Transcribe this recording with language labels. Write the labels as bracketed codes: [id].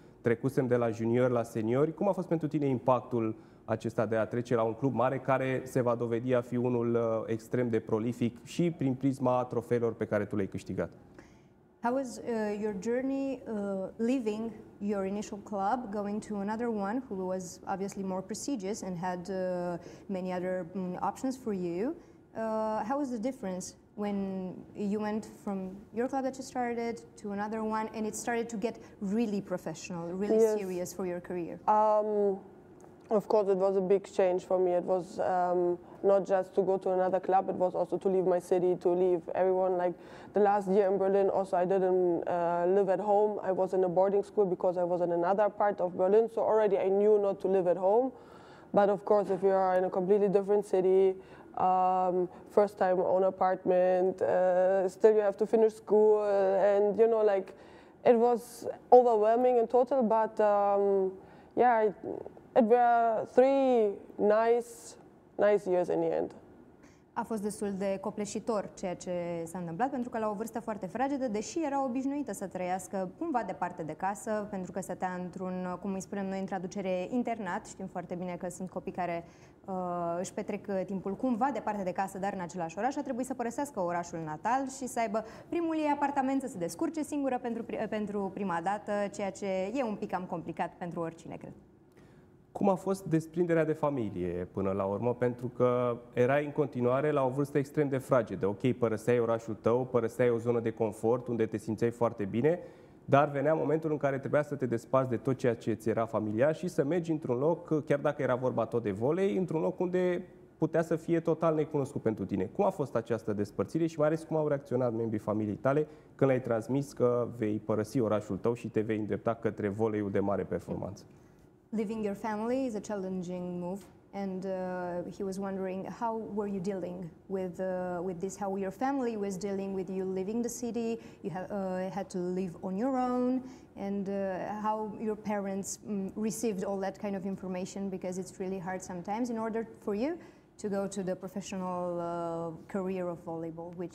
[ro] Trecusem de la junior la seniori. Cum a fost pentru tine impactul acesta de a trece la un club mare care se va dovedi a fi unul extrem de prolific și prin prisma trofeelor pe care tu le-ai câștigat? [en] How was your journey leaving your initial club, going to another one who was obviously more prestigious and had many other options for you? How was the difference when you went from your club that you started to another one and it started to get really professional, really yes, serious for your career? Of course, it was a big change for me. It was not just to go to another club, it was also to leave my city, to leave everyone. Like the last year in Berlin also, I didn't live at home. I was in a boarding school because I was in another part of Berlin. So already I knew not to live at home. But of course, if you are in a completely different city, first time own apartment, still you have to finish school. And you know, like it was overwhelming in total, but yeah, it were three nice years in the end. [ro] A fost destul de copleșitor ceea ce s-a întâmplat, pentru că la o vârstă foarte fragedă, deși era obișnuită să trăiască cumva departe de casă, pentru că stătea într-un, cum îi spunem noi în traducere, internat, știm foarte bine că sunt copii care își petrec timpul cumva departe de casă, dar în același oraș, a trebuit să părăsească orașul natal și să aibă primul ei apartament, să se descurce singură pentru prima dată, ceea ce e un pic cam complicat pentru oricine, cred. Cum a fost desprinderea de familie până la urmă? Pentru că erai în continuare la o vârstă extrem de fragedă. Ok, părăseai orașul tău, părăseai o zonă de confort unde te simțeai foarte bine, dar venea momentul în care trebuia să te despați de tot ceea ce ți era familiar și să mergi într-un loc, chiar dacă era vorba tot de volei, într-un loc unde putea să fie total necunoscut pentru tine. Cum a fost această despărțire și mai ales cum au reacționat membrii familiei tale când le-ai transmis că vei părăsi orașul tău și te vei îndrepta către voleiul de mare performanță? [en] Leaving your family is a challenging move, and he was wondering how were you dealing with this, how your family was dealing with you leaving the city. You had to live on your own, and how your parents received all that kind of information, because it's really hard sometimes in order for you to go to the professional career of volleyball, which...